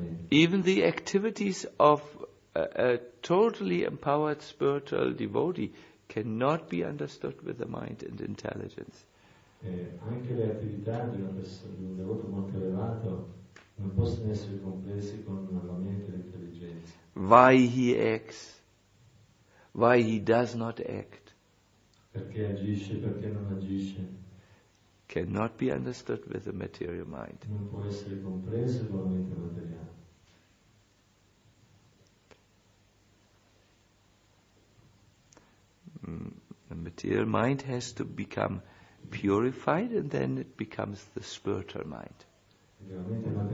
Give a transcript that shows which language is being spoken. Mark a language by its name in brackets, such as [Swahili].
[English] Even the activities of a totally empowered spiritual devotee cannot be understood with the mind and intelligence. [Italian] Anche le attività di un devoto molto elevato non possono essere comprese con la mente e l'intelligenza. [English] Why he acts? Why he does not act? [Italian] Perché agisce, perché non agisce? [English] Cannot be understood with the material mind. [Italian] Non può essere compreso con la mente materiale. [English] The material mind has to become purified, and then it becomes the spiritual mind.